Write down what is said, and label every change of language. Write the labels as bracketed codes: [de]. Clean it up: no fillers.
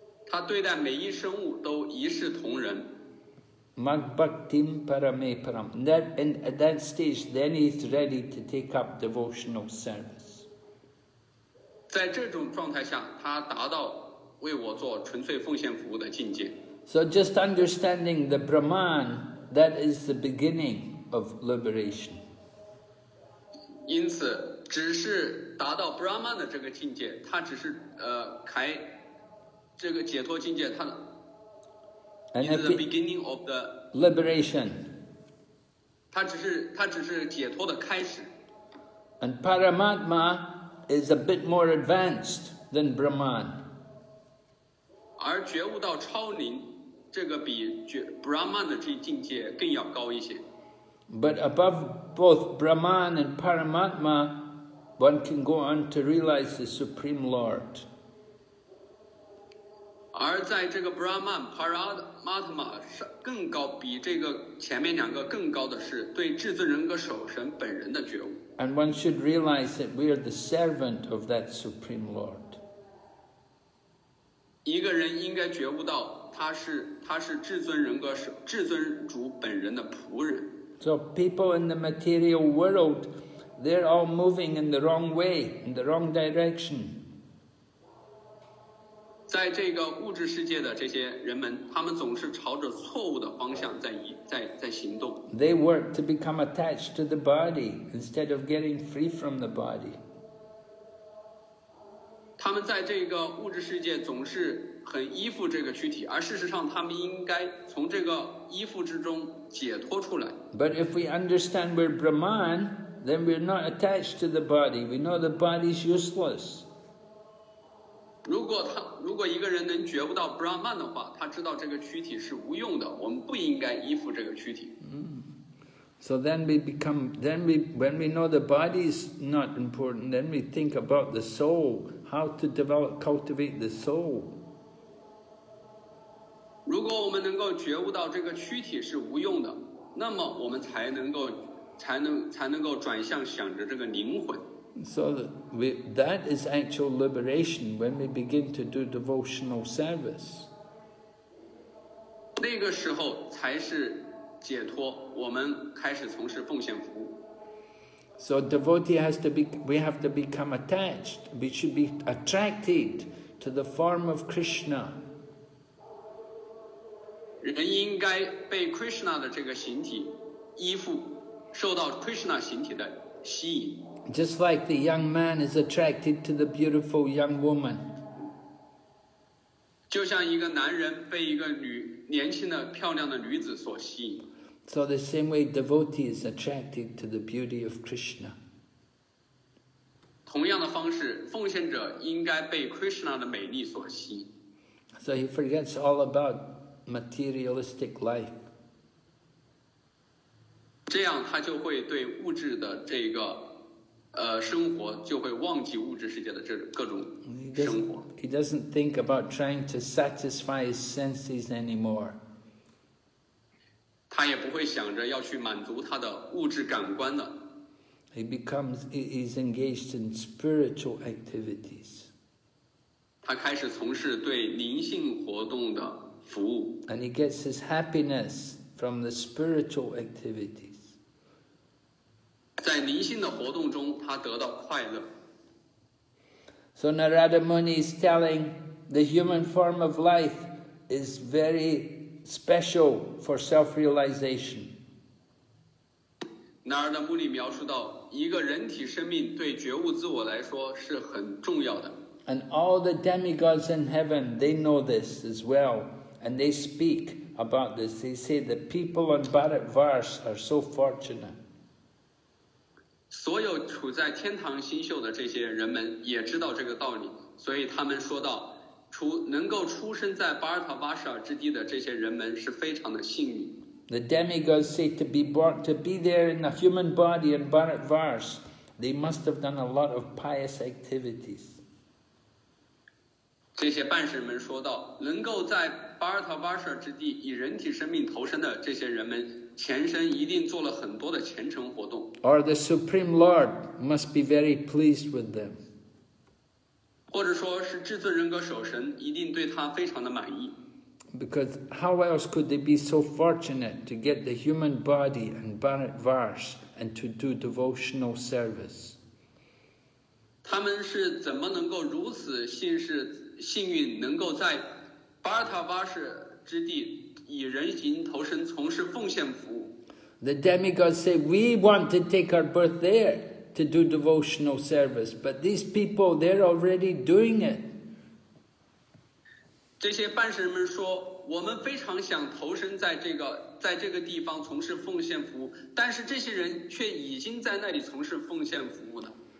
[zh] 他对待每一生物都一视同仁。 [sa] Magbhaktim parame param. [en] That in that stage, then he's ready to take up devotional service. [zh] 在这种状态下，他达到为我做纯粹奉献服务的境界。 [en] So just understanding the Brahman, that is the beginning of liberation. [zh] 因此，只是达到 Brahman 的这个境界，他只是开。这个解脱境界，它的 [en] and is the beginning of the liberation. [zh] 它只是解脱的开始。 [en] And Paramatma is a bit more advanced than Brahman. [zh] 而觉悟到超灵，这个比Brahman的这境界更要高一些。 [en] But above both Brahman and Paramatma, one can go on to realize the Supreme Lord. [zh] 而在这个 Brahman Paramatma 更高，比这个前面两个更高的是对至尊人格守神本人的觉悟。 [en] And one should realize that we are the servant of that Supreme Lord. [zh] 一个人应该觉悟到他是至尊人格守至尊主本人的仆人。 [en] So people in the material world, they're all moving in the wrong way, in the wrong direction. [zh] 在这个物质世界的这些人们，他们总是朝着错误的方向在行动。 [en] They work to become attached to the body instead of getting free from the body. [zh] 他们在这个物质世界总是很依附这个躯体，而事实上他们应该从这个依附之中解脱出来。 [en] But if we understand we're Brahman, then we're not attached to the body. We know the body's useless. [zh] 如果一个人能觉悟到 Brahman 的话，他知道这个躯体是无用的，我们不应该依附这个躯体。 [en] So then we become, then we, when we know the body is not important, then we think about the soul, how to develop, cultivate the soul. [zh] 如果我们能够觉悟到这个躯体是无用的，那么我们才能够转向想着这个灵魂。 [en] So that is actual liberation when we begin to do devotional service. [zh] 那个时候才是解脱，我们开始从事奉献服务。 [en] So devotee has to be, we have to become attached. We should be attracted to the form of Krishna. [zh] 人应该被 Krishna 的这个形体依附，受到 Krishna 形体的吸引。 [en] Just like the young man is attracted to the beautiful young woman. [zh] 就像一个男人被一个年轻的漂亮的女子所吸引。 [en] So the same way devotee is attracted to the beauty of Krishna. [zh] 同样的方式，奉献者应该被 Krishna 的美丽所吸引。 [en] So he forgets all about materialistic life. [zh] 这样他就会对物质的这个生活就会忘记物质世界的这各种生活。 [en] He doesn't think about trying to satisfy his senses anymore. [zh] 他也不会想着要去满足他的物质感官的。 [en] He's engaged in spiritual activities. [zh] 他开始从事对灵性活动的服务。 [en] And he gets his happiness from the spiritual activities. [zh] 在灵性的活动中，他得到快乐。 [en] So Narada Muni is telling the human form of life is very special for self-realization. [zh] Narada Muni 描述到，一个人体生命对觉悟自我来说是很重要的。 [en] And all the demigods in heaven, they know this as well, and they speak about this. They say the people on Bharat Varsh are so fortunate. [zh] 所有处在天堂星宿的这些人们也知道这个道理，所以他们说到，能够出生在巴尔塔巴舍之地的这些人们是非常的幸运。 [en] The demigods say to be born, to be there in a human body in Bharat Varsh, they must have done a lot of pious activities. [zh] 这些半神们说到，能够在巴尔塔巴舍之地以人体生命投生的这些人们。前身一定做了很多的虔诚活动。 [en] Or the Supreme Lord must be very pleased with them. [zh] 或者说是至尊人格守神一定对他非常的满意。 [en] Because how else could they be so fortunate to get the human body and Bharat Varsh and to do devotional service? [zh] 他们是怎么能够如此幸运能够在巴尔塔巴舍之地以人形投身从事奉献服务。 [en] The demigods say, we want to take our birth there to do devotional service, but these people, they're already doing it. [zh] 这些半神们说，我们非常想投身在这个地方从事奉献服务，但是这些人却已经在那里从事奉献服务了。